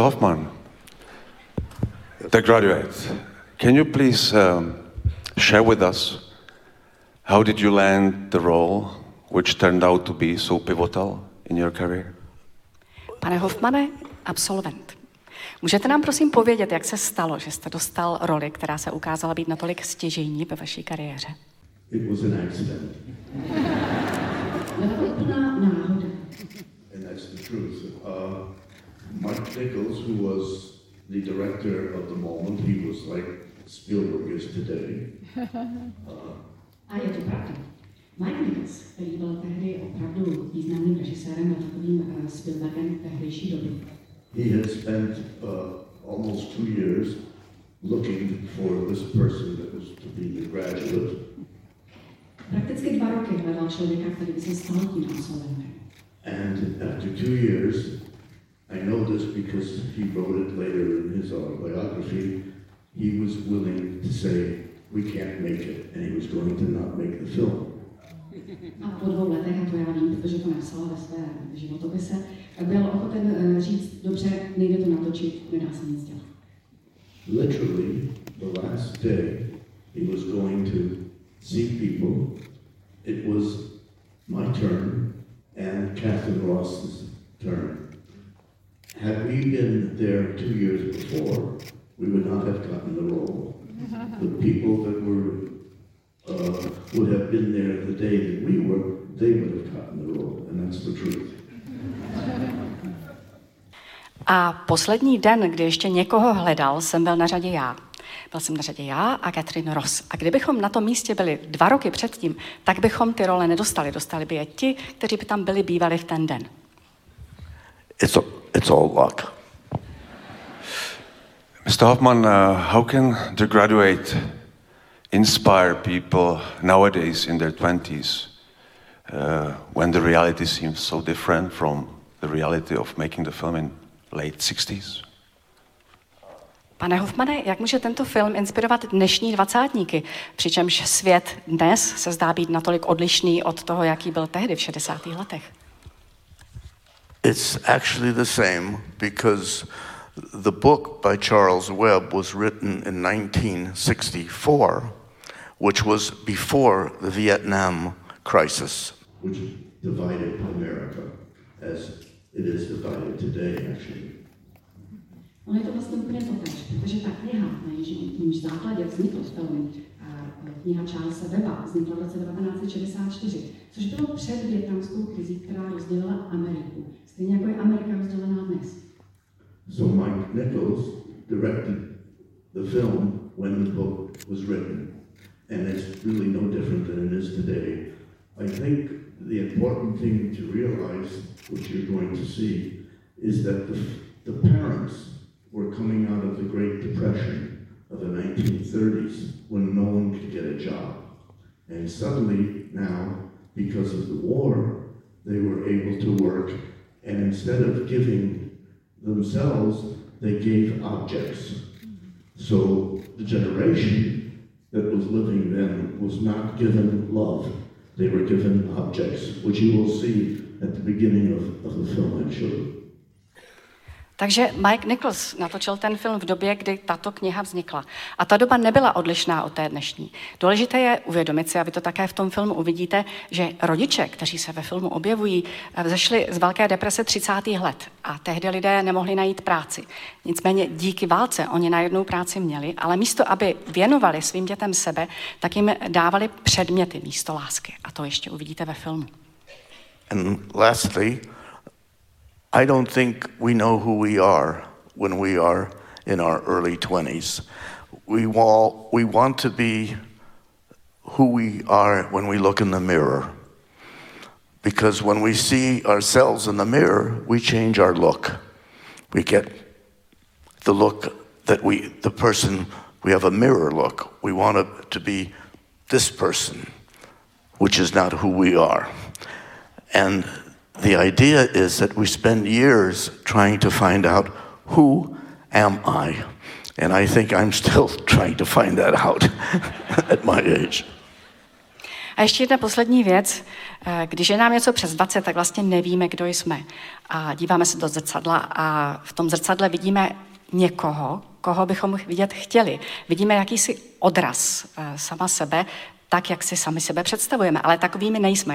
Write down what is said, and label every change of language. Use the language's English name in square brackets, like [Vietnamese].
[English] Hoffman, the graduates, can you please share with us how did you land the role which turned out to be so pivotal in your career? [Czech] Pane Hoffmane, absolvent, můžete nám prosím povědět, jak se stalo, že jste dostal roli, která se ukázala být natolik stěžejní ve vaší kariéře? [English] It was an accident. And that's the truth. Mark Nichols, who was the director of the moment, he was like Spielberg is today. [Czech] A je to pravda. Mike Nichols, který byl tehdy opravdu významným režisérem a takovým Spielbergem tehdejší doby. [English] He had spent almost 2 years looking for this person that was to be the graduate. [Czech] Prakticky 2 roky hledal člověka, který by se stal tím oslovem. [English] And after 2 years, I know this because he wrote it later in his autobiography. He was willing to say, we can't make it, and he was going to not make the film. [Czech] A po 2 letech, a to já vím, protože to napsal ve své životopise, byl ochoten říct, dobře, nejde to natočit, nedá se nic dělat. [English] Literally, the last day, he was going to see people. It was my turn, and Catherine Ross's turn. Had we been there 2 years before, we would not have gotten the role. The people that were would have been there the day that we were, they would have gotten the role, and that's the truth. [Czech] A poslední den, kdy ještě někoho hledal, jsem byl na řadě já. Byl jsem na řadě já a Catherine Ross. A kdybychom na tom místě byli 2 roky předtím, tak bychom ty role nedostali. Dostali by je ti, kteří by tam byli bývali v ten den. [English] It's all luck. Mr. Hoffman, how can the graduate inspire people nowadays in their 20s when the reality seems so different from the reality of making the film in late 60s? [Czech] Pane Hoffmane, jak může tento film inspirovat dnešní dvacátníky, přičemž svět dnes se zdá být natolik odlišný od toho, jaký byl tehdy v 60. letech? [English] It's actually the same because the book by Charles Webb was written in 1964, which was before the Vietnam crisis, which divided America as it is divided today, actually. [Czech] On je to vlastně úplně totéž, protože ta kniha, na jejímž základě vznikl film, kniha Charlesa Webba, vznikla v roce 1964, což bylo před vietnamskou krizí, která rozdělila Ameriku, stejně jako je Amerika rozdělená dnes. [English] So Mike Nichols directed the film when the book was written, and it's really no different than it is today. I think the important thing to realize, which you're going to see, is that the parents were coming out of the Great Depression of the 1930s when no one could get a job. And suddenly now, because of the war, they were able to work, and instead of giving themselves, they gave objects. So the generation that was living then was not given love. They were given objects, which you will see at the beginning of the film, I'm sure. [Czech] Takže Mike Nichols natočil ten film v době, kdy tato kniha vznikla. A ta doba nebyla odlišná od té dnešní. Důležité je uvědomit si, a vy to také v tom filmu uvidíte, že rodiče, kteří se ve filmu objevují, vzešli z velké deprese 30. let a tehdy lidé nemohli najít práci. Nicméně díky válce oni najednou práci měli, ale místo, aby věnovali svým dětem sebe, tak jim dávali předměty místo lásky. A to ještě uvidíte ve filmu. [English] And lastly, I don't think we know who we are when we are in our early 20s. We want to be who we are when we look in the mirror. Because when we see ourselves in the mirror, we change our look. We get the look that we have a mirror look. We want to be this person, which is not who we are. And the idea is that we spend years trying to find out who am I, and I think I'm still trying to find that out at my age. [Czech] A ještě jedna poslední věc. Když je nám něco přes 20, tak vlastně nevíme, kdo jsme. A díváme se do zrcadla a v tom zrcadle vidíme někoho, koho bychom vidět chtěli. Vidíme jakýsi odraz sama sebe, tak, jak si sami sebe představujeme. Ale takovými nejsme.